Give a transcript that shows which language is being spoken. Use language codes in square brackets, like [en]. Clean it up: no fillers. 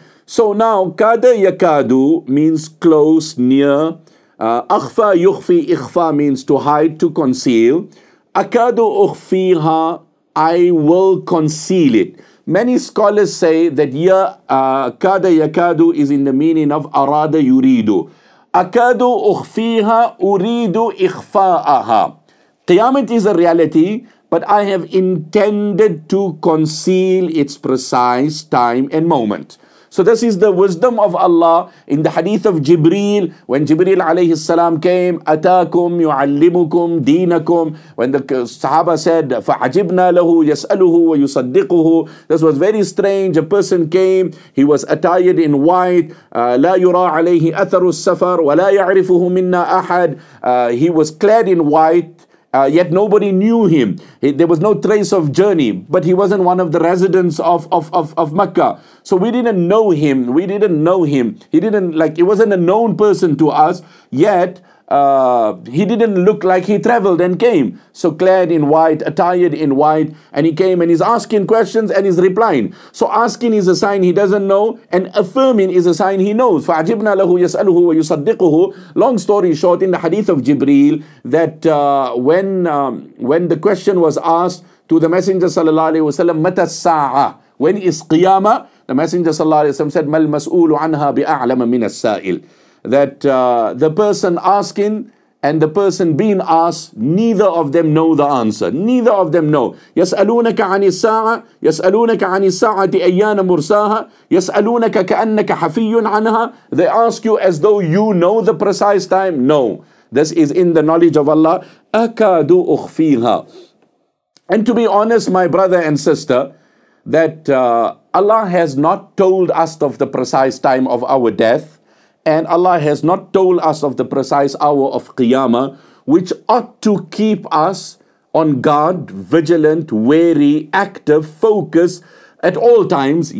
[en] So now, kada yakadu means close, near. Akhfa yukhfi, ikhfa means to hide, to conceal. Akadu ukhfiha, I will conceal it. Many scholars say that ya kada yakadu is in the meaning of arada yuridu. [ar] أَكَادُ أُخْفِيهَا أُرِيدُ إِخْفَاءَهَا. [en] Qiyamah is a reality, but I have intended to conceal its precise time and moment. So this is the wisdom of Allah in the hadith of Jibreel, when Jibreel alayhi salam came, [ar] أَتَاكُمْ يُعَلِّمُكُمْ دِينَكُمْ, [en] when the sahaba said, [ar] فَعَجِبْنَا لَهُ يَسْأَلُهُ وَيُصَدِّقُهُ. [en] This was very strange. A person came, he was attired in white, [ar] لَا يُرَى عَلَيْهِ أَثَرُ السَّفَرُ وَلَا يَعْرِفُهُ مِنَّا أَحَدٍ. [en] He was clad in white, yet nobody knew him. There was no trace of journey, but he wasn't one of the residents of Mecca. So we didn't know him. He didn't, like, he wasn't a known person to us. Yet, he didn't look like he traveled and came. So clad in white, attired in white, and he came and he's asking questions and he's replying. So asking is a sign he doesn't know, and affirming is a sign he knows. [ar] فَعَجِبْنَا لَهُ يَسْأَلُهُ وَيُصَدِّقُهُ. [en] Long story short, in the hadith of Jibreel, that when the question was asked to the Messenger sallallahu alayhi wa sallam, [ar] مَتَ السَّاعَةِ, [en] when is Qiyamah? The Messenger sallallahu alayhi wa sallam said, [ar] مَا الْمَسْؤُولُ عَنْهَا بِأَعْلَمَ مِنَ السَّائِلِ, [en] that the person asking and the person being asked, neither of them know the answer. Neither of them know. [ar] يَسْأَلُونَكَ عَنِ السَّاعَةِ, يَسْأَلُونَكَ عَنِ السَّاعَةِ أَيَّانَ مُرْسَاهَا, يَسْأَلُونَكَ كَأَنَّكَ حَفِيٌّ عَنْهَا, [en] they ask you as though you know the precise time. No, this is in the knowledge of Allah. [ar] أَكَادُ أُخْفِيهَا. [en] And to be honest, my brother and sister, that Allah has not told us of the precise time of our death, and Allah has not told us of the precise hour of Qiyamah, which ought to keep us on guard, vigilant, wary, active, focused at all times.